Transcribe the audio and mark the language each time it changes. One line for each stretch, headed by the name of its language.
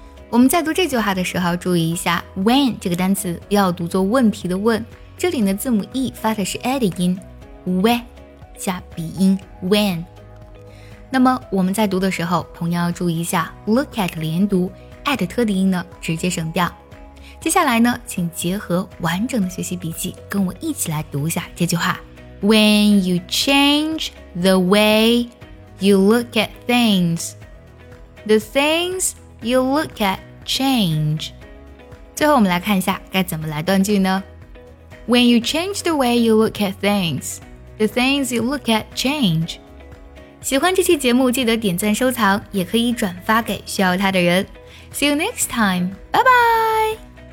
Chinese: 我们在读这句话的时候注意一下 when 这个单词要读作问题的问，这里的字母 e 发的是 a 的音， when 加鼻音 when。那么我们在读的时候同样要注意一下 look at 连读， at 特的音呢直接省掉。接下来呢，请结合完整的学习笔记跟我一起来读一下这句话。
English: When you change the way you look at things, the thingsYou look at change.
Chinese: 最后我们来看一下该怎么来断句呢？
English: When you change the way you look at things, the things you look at change.
Chinese: 喜欢这期节目记得点赞收藏，也可以转发给需要它的人。
English: See you next time. Bye bye.